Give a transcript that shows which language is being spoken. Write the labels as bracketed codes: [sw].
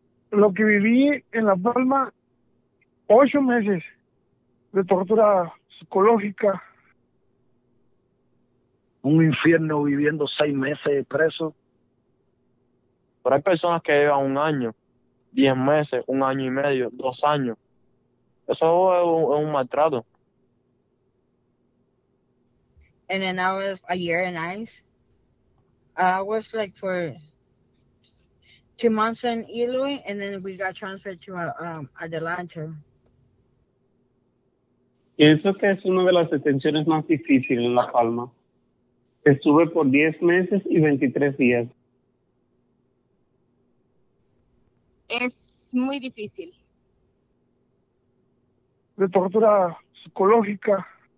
[es] Lo que viví en La Palma, 8 meses de tortura psicológica. Un infierno viviendo 6 meses preso. Pero hay personas que llevan 1 año, 10 meses, 1 año y medio, 2 años. Eso es un maltrato. [en] And then I was a year in ICE. I was like for 2 months in Eloy, and then we got transferred to Adelanto. [es] Pienso que es una de las detenciones más difíciles en La Palma. Estuve por 10 meses y 23 días. Es muy difícil. De tortura psicológica.